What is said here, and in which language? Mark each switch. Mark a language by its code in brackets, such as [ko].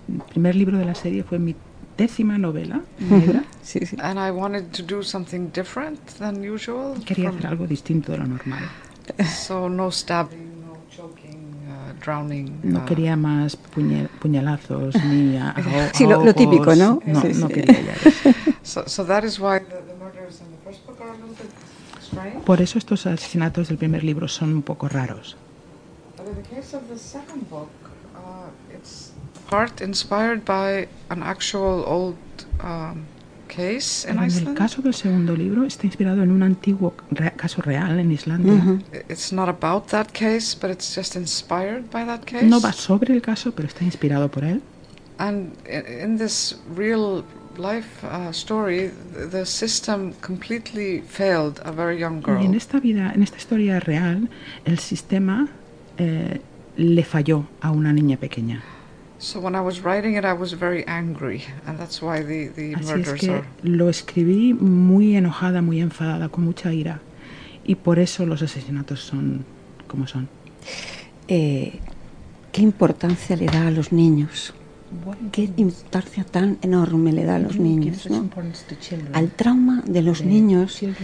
[es] Primer libro de la serie fue mi décima novela. Sí, sí. [en] And I wanted to do something different than usual. [es] Quería hacer algo distinto de lo normal. [en] So no stabbing, no choking, drowning. [es] No quería más puñalazos ni ahogos. Sí, lo típico, ¿no? No, sí, sí. No quería ya. [en] So that is why the murders in the first book are a little bit strange. [es] Por eso estos asesinatos del primer libro son un poco raros. [en] But in the case of the second book, it's part inspired by an actual old case in Iceland. [es] En el caso del segundo libro está inspirado en un antiguo caso real en Islandia. Mm-hmm. [en] It's not about that case, but it's just inspired by that case. [es] No va sobre el caso, pero está inspirado por él. [en] And in this real life story, the system completely failed a very young girl. [es] En esta vida, en esta historia real, el sistema le falló a una niña pequeña. [en] So when I was writing it, I was very angry, and that's why the [es] Así [en] murders [es] es que [en] are. [es] Lo escribí muy enojada, muy enfadada, con mucha ira, y por eso los asesinatos son como son. ¿Qué importancia le da a los niños? ¿Qué importancia tan enorme le da a los niños, ¿no? Al trauma de los niños.